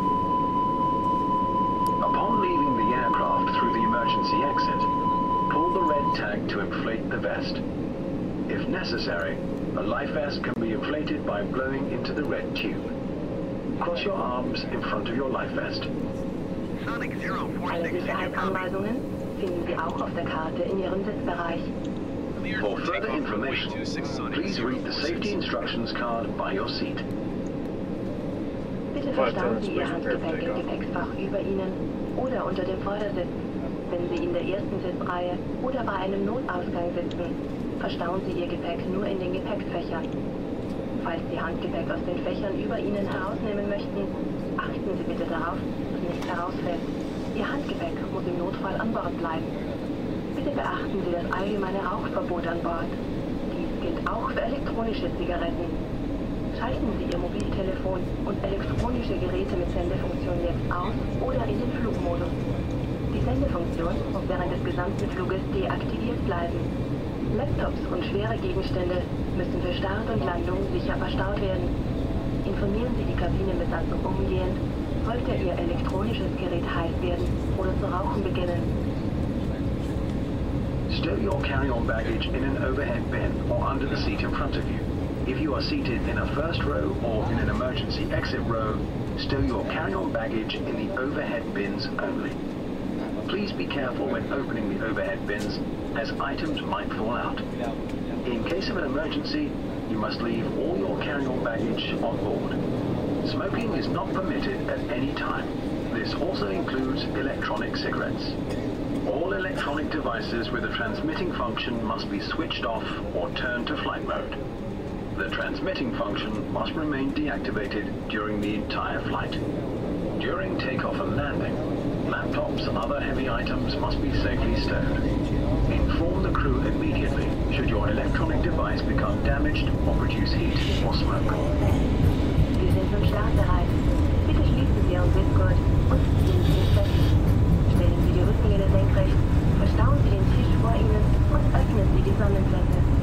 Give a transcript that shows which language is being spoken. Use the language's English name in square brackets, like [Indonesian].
[English] Upon leaving the aircraft through the emergency exit, pull the red tag to inflate the vest. If necessary, a life vest can be inflated by blowing into the red tube. Cross your arms in front of your life vest. Sonic 046, [German] finden Sie auch auf der Karte in Ihrem Sitzbereich. [English] For further information, please read the safety instructions card by your seat. [German] Bitte verstauen Sie Ihr Handgepäck im Gepäckfach über Ihnen oder unter dem Vordersitz. Wenn Sie in der ersten Sitzreihe oder bei einem Notausgang sitzen, verstauen Sie Ihr Gepäck nur in den Gepäckfächern. Falls Sie Handgepäck aus den Fächern über Ihnen herausnehmen möchten, achten Sie bitte darauf, dass nichts herausfällt. Ihr Handgepäck muss im Notfall an Bord bleiben. Bitte beachten Sie das allgemeine Rauchverbot an Bord. Dies gilt auch für elektronische Zigaretten. Schalten Sie Ihr Mobiltelefon und elektronische Geräte mit Sendefunktion jetzt aus oder in den Flugmodus. Die Sendefunktion muss während des gesamten Fluges deaktiviert bleiben. Laptops und schwere Gegenstände müssen für Start und Landung sicher verstaut werden. Informieren Sie die Kabinenbesatzung umgehend, sollte Ihr elektronisches Gerät heiß werden oder zu rauchen beginnen. [English] Stow your carry-on baggage in an overhead bin or under the seat in front of you. If you are seated in a first row or in an emergency exit row, stow your carry-on baggage in the overhead bins only. Please be careful when opening the overhead bins, as items might fall out. In case of an emergency, you must leave all your carry-on baggage on board. Smoking is not permitted at any time. This also includes electronic cigarettes. All electronic devices with a transmitting function must be switched off or turned to flight mode. The transmitting function must remain deactivated during the entire flight. During takeoff and landing, laptops and other heavy items must be safely stowed. Inform the crew immediately should your electronic device become damaged or produce heat or smoke. [German] Wir sind nun startbereit. Bitte schließen Sie Ihren Sitzgurt und ziehen Sie ihn fest. Stellen Sie die Rückenlehne senkrecht, verstauen Sie den Tisch vor Ihnen und öffnen Sie die Sonnenblende.